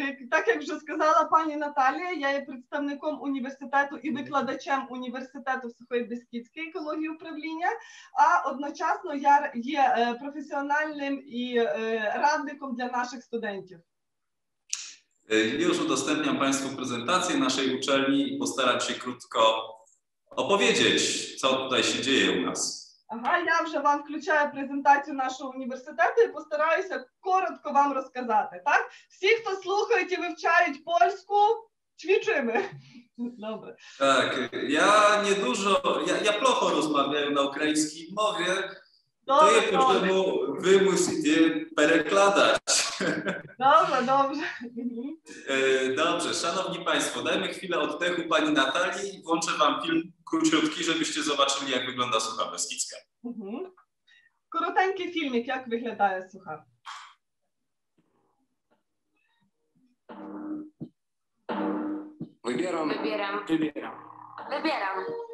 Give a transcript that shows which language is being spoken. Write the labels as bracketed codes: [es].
[uk] Так як вже сказала пані Наталія, я є представником університету і викладачем університету Сухої Бескідської екології управління, а одночасно я є професіональним і радником для наших студентів. [pl] Już udostępniam Państwu prezentację naszej uczelni i postaram się krótko opowiedzieć, co tutaj się dzieje u nas. [uk] Ага, я вже вам включаю презентацію нашого університету і постараюся коротко вам розказати, так? Всі, хто слухають і вивчають польську, [pl] ćwiczymy. [uk] Добре. Так, я не дуже, я плохо розмовляю на українській мові. Добре, то я потрібно ви мусите перекладати. Добре, добре. Добре, шановні Państwo, дайте хвилину віддиху пані Наталії, [pl] włączę [uk] вам фільм [pl] króciutki, żebyście zobaczyli, jak wygląda Sucha Beskidzka. Koroteńki filmik, jak wygląda Sucha. Wybieram. Wybieram. Wybieram. Wybieram.